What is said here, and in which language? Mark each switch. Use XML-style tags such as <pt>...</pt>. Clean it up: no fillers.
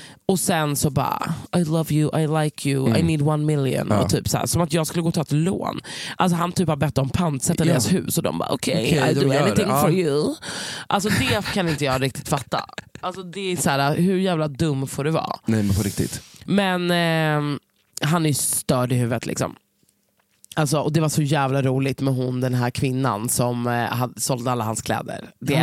<sv>Och sen så bara,</sv> <en>I love you, I like you, I need 1 million.</en> <sv>Ja. Och typ så här, som att jag skulle gå och ta ett lån. Alltså han typ har bett om pantsätt i deras hus. Och de bara,</sv> <en>okay, I'll do anything for you.</en> <sv>Alltså det kan inte jag riktigt fatta. Alltså det är så här, hur jävla dum får du vara? Nej, men på riktigt. Men han är störd i huvudet liksom. Alltså, och det var så jävla roligt med hon, den här kvinnan som hade sålde alla hans kläder. Det jag</sv>